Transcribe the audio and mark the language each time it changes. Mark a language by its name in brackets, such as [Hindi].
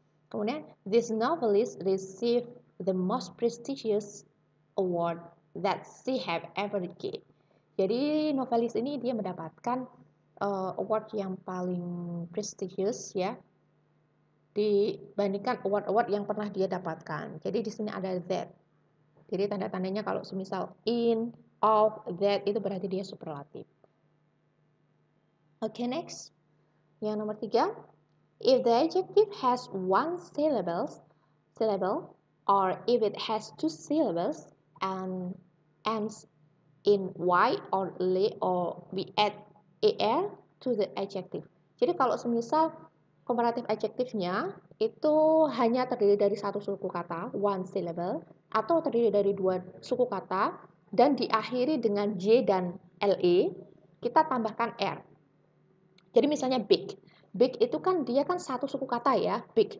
[Indonesian] Kemudian [English] this novelist received the most prestigious award that she have ever get. [Indonesian] Jadi novelis ini dia mendapatkan award yang paling prestigious ya, dibandingkan award-award yang pernah dia dapatkan. Jadi di sini ada that. Jadi tanda-tandanya kalau semisal in, of, that itu berarti dia superlatif. [English] Okay, next. [Indonesian] Yang nomor 3. [English] If the adjective has one syllable or if it has two syllables and ends in y or le or we add er to the adjective. [Indonesian] Jadi kalau semisal komparatif adjektifnya itu hanya terdiri dari satu suku kata, [English] one syllable, [Indonesian] atau terdiri dari dua suku kata, dan diakhiri dengan J dan LE, kita tambahkan R. Jadi misalnya big. Big itu kan dia kan satu suku kata ya, big.